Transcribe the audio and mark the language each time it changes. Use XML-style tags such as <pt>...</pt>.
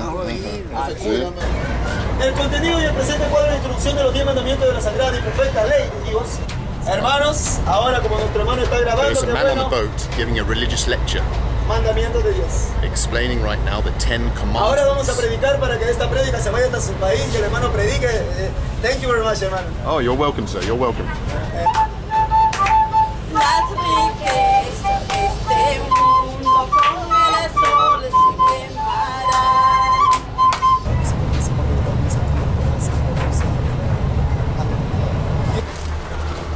<es>no sabes ni qué pasa en la ciudad. El contenido y el presente cuadro de instrucción de los 10 mandamientos de la sagrada y perfecta ley de Dios. Hermanos, ahora como nuestro hermano está grabando,</es> <en>there's a man on the boat giving a religious lecture.</en> <es>Mandamientos de Dios.</es> <en>Explaining right now the 10 commandments.</en> <es>Ahora vamos a predicar para que esta predica se vaya hasta su país y el hermano predique.</es> <en>Thank you very much, hermano. Oh, you're welcome, sir. You're welcome.</en> <es>Las riquezas de este mundo con el sol se quemará.</es>